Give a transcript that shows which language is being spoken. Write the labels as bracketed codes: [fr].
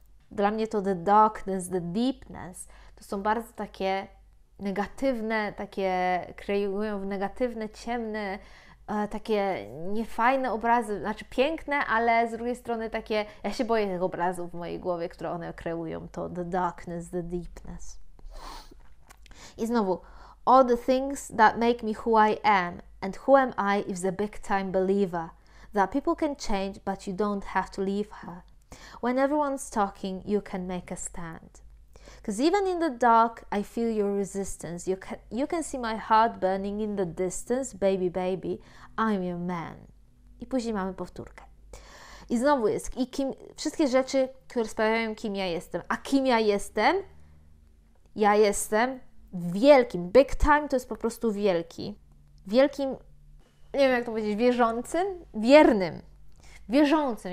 [pl] dla mnie to [en] the darkness, the deepness, [pl] to są bardzo takie negatywne, takie kreują w negatywne, ciemne, takie niefajne obrazy, znaczy piękne, ale z drugiej strony takie, ja się boję tych obrazów w mojej głowie, które one kreują, to the darkness, the deepness. I znowu, [en] all the things that make me who I am and who am I is a big time believer that people can change, but you don't have to leave her. When everyone's talking, you can make a stand. Because even in the dark, I feel your resistance. You can see my heart burning in the distance. Baby, baby, I'm your man. [pl] I później mamy powtórkę. I znowu jest. I kim, wszystkie rzeczy, które sprawiają, kim ja jestem. A kim ja jestem? Ja jestem wielkim. [en] Big time [pl] to jest po prostu wielki. Wielkim, nie wiem jak to powiedzieć, wierzącym? Wiernym. Wierzącym.